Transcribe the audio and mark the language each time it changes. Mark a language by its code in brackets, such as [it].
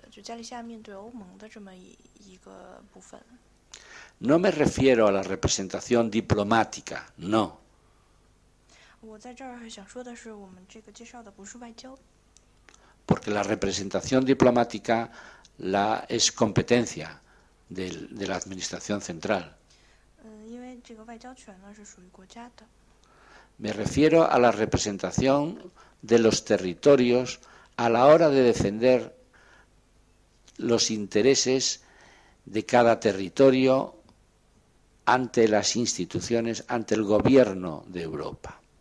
[zh] 可能各位很多人都会奇怪，为什么在我们的介绍当中会有一部分是介绍跟那个就加利西亚面对欧盟的这么一个部分。 [es] No me refiero a la representación diplomática, no. [zh] 我在这儿想说的是，我们这个介绍的不是外交。 [es] Porque la representación diplomática es competencia de la administración central. [zh] 因为这个外交权呢是属于国家的。 [es] Me refiero a la representación de los territorios a la hora de defender los intereses de cada territorio ante las instituciones, ante el gobierno de Europa.